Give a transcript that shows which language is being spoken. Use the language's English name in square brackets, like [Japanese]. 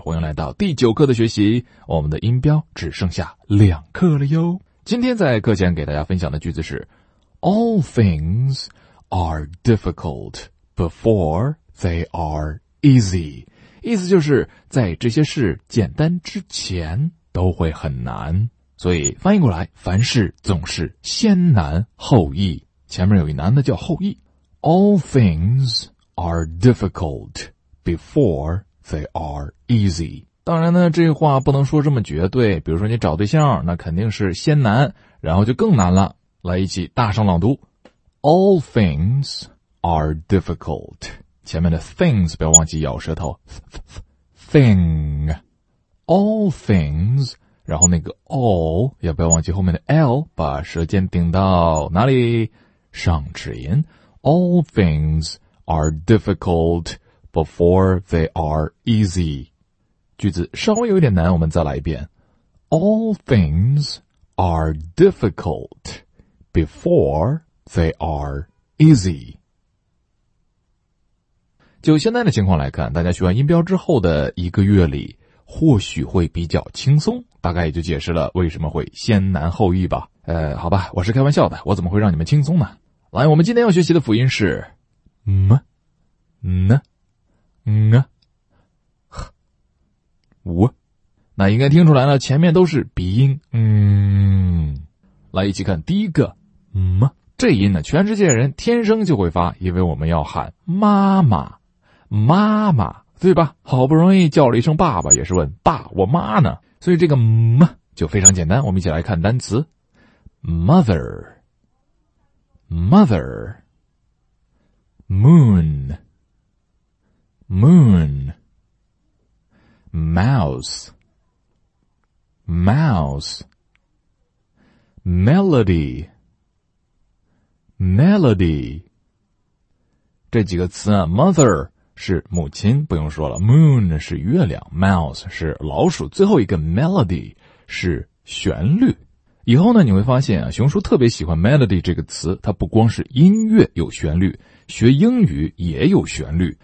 [Chinese] 欢迎来到第九课的学习，我们的音标只剩下两课了哟。今天在课前给大家分享的句子是 [English] All things are difficult before they are easy. [Chinese] 意思就是在这些事简单之前都会很难。所以翻译过来，凡事总是先难后易。前面有一难的叫后易。 [English] All things are difficult before they are easy. [Chinese] 当然呢，这话不能说这么绝对。比如说你找对象，那肯定是先难，然后就更难了。来一起大声朗读。 [English] All things are difficult. [Chinese] 前面的 things 不要忘记咬舌头。 [English] Thing. All things, [Chinese] 然后那个 all, 也不要忘记后面的 l, 把舌尖顶到哪里？上齿龈。 [English] All things are difficult before they are easy. [Chinese] 句子稍微有点难，我们再来一遍。 [English] All things are difficult before they are easy. [Chinese] 就现在的情况来看，大家学完音标之后的一个月里，或许会比较轻松，大概也就解释了为什么会先难后易吧。好吧，我是开玩笑的，我怎么会让你们轻松呢？来，我们今天要学习的辅音是 m n ng h w， 那应该听出来了，前面都是鼻音。嗯，来一起看第一个 m， 这音呢全世界人天生就会发，因为我们要喊妈妈，妈妈，对吧？好不容易叫了一声爸爸，也是问爸我妈呢，所以这个 m 就非常简单。我们一起来看单词 [English] mother，Mother, Moon, Moon, Mouse, Mouse, Melody, Melody. [Chinese] 这几个词啊， Mother 是母亲，不用说了， Moon 是月亮， Mouse 是老鼠，最后一个 Melody 是旋律。以后呢，你会发现啊，熊叔特别喜欢 melody 这个词，它不光是音乐有旋律，学英语也有旋律。